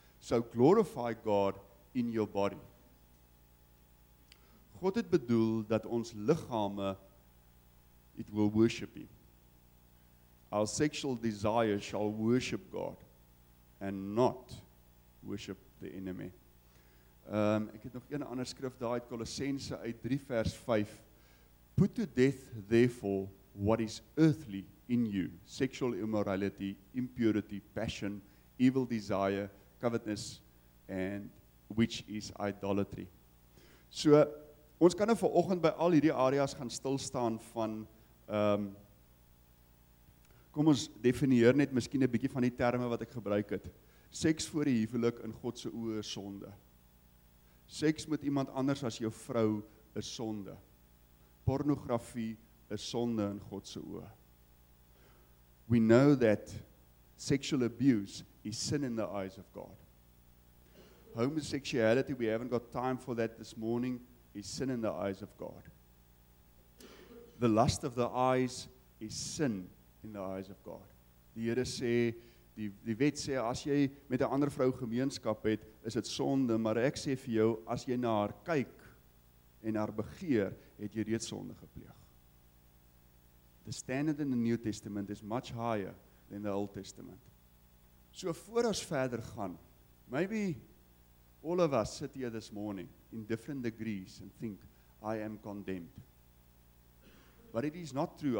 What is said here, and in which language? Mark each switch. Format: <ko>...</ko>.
<en>So glorify God in your body.</en> <af>God het bedoel dat ons liggame,</af> <en>it will worship Him. Our sexual desire shall worship God and not worship the enemy.</en> <af>Ek het nog een ander skrif daar uit Kolossense uit 3 vers 5.</af> <en>Put to death therefore what is earthly in you, sexual immorality, impurity, passion, evil desire, covetousness, and which is idolatry.</en> <af>So, ons kan nou vanoggend by al hierdie areas gaan stilstaan van, kom ons definieer net miskien 'n bietjie van die terme wat ek gebruik het. Seks voor die huwelik in God se oë is sonde. Seks met iemand anders as jou vrou is sonde. Pornografie is sonde in God se oë.</af> <en>We know that sexual abuse is sin in the eyes of God. Homosexuality, we haven't got time for that this morning, is sin in the eyes of God. The lust of the eyes is sin in the eyes of God.</en> <af>Die Here sê, die wet sê, as jy met 'n ander vrou gemeenskap het, is dit sonde, maar ek sê vir jou, as jy na haar kyk en haar begeer, het jy reeds sonde gepleeg.</af> <en>The standard in the New Testament is much higher than the Old Testament.</en> <af>So voor ons verder gaan,</af> <en>maybe all of us sit here this morning in different degrees and think, I am condemned. But it is not true.</en>